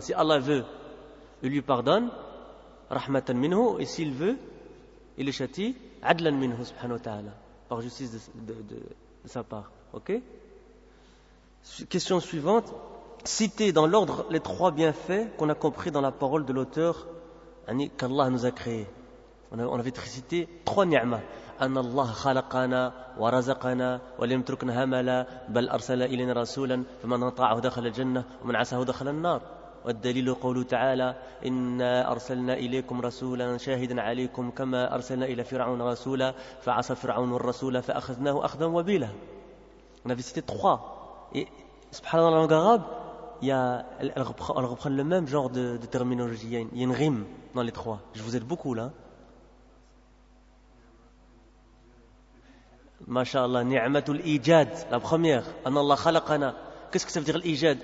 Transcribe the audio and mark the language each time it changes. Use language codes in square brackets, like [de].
[fr] Si Allah veut, il lui pardonne, [ar] rahmatan minhu, [fr] et s'il veut, il le châtie, [ar] adlan minhu, [fr] subhanahu wa ta'ala, par justice de sa part. Ok? Question suivante. Citer dans l'ordre les trois bienfaits qu'on a compris dans la parole de l'auteur, qu'Allah nous a créés. On avait cité trois ni'ma. [ar] أن الله خلقنا ورزقنا ولم تركنا هملا بل أرسل إلينا رسولا فمن أطاعه دخل الجنة ومن عصاه دخل النار والدليل قوله تعالى إنا أرسلنا إليكم رسولا شاهدا عليكم كما أرسلنا إلى فرعون رسولا فعصى فرعون الرسول فأخذناه أخذا وبيلا. [fr] On avait cité trois. [ar] سبحان الله, [fr] en langue arabe il y a le même genre de terminologie, il y a une rime dans les trois. Je vous aide beaucoup là. MashaAllah, ni'matul ijad, la première, [ar] an Allah khalaqana. [fr] Qu'est-ce que ça veut dire l'ijad?